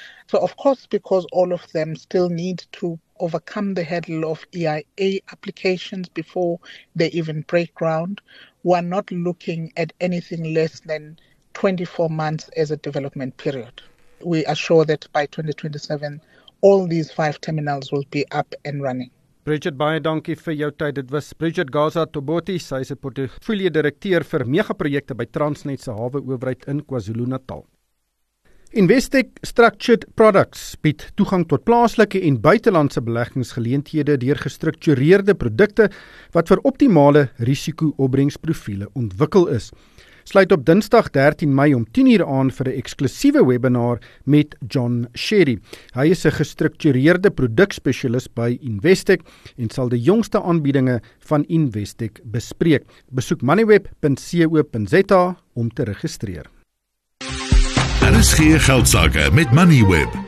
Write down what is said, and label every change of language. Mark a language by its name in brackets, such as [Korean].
[English] So, of course, because all of them still need to overcome the hurdle of EIA applications before they even break ground, we're not looking at anything less than 24 months as a development period. We are sure that by 2027, all these five terminals will be up and running. [Afrikaans] Bridget, baie dankie vir jou tyd. Dit was Bridget Gaza Toboti, sy is 'n portefeulje direkteur vir megaprojekte by Transnet se hawe owerheid in KwaZulu-Natal. Investec Structured Products bied toegang tot plaaslike en buitelandse beleggingsgeleenthede deur gestruktureerde produkte wat vir optimale risiko-opbrengsprofiele ontwikkel is. Sluit op Dinsdag 13 Mei om 10:00 aan vir 'n eksklusiewe webinar met John Sherry. Hy is 'n gestruktureerde produkspesialis by Investec en sal die jongste aanbiedinge van Investec bespreek. Besoek moneyweb.co.za om te registreer. Daar is geen geldsaake met Moneyweb.